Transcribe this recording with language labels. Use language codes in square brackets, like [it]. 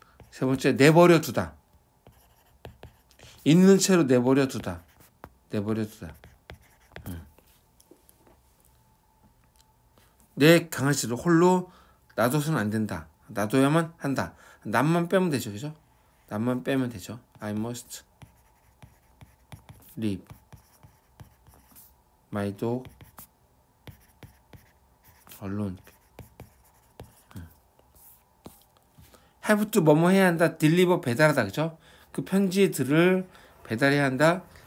[ko] 세 번째, 내버려 두다. 있는 채로 내버려 두다. 내버려 두다. 내 강아지를 홀로 놔둬서는 안 된다. 놔둬야만 한다. 남만 빼면 되죠, 그죠? 남만 빼면 되죠. [en] I must leave my dog alone. [ko] have to 뭐뭐 해야 한다. deliver 배달하다, 그죠? 그 편지들을 배달해야 한다.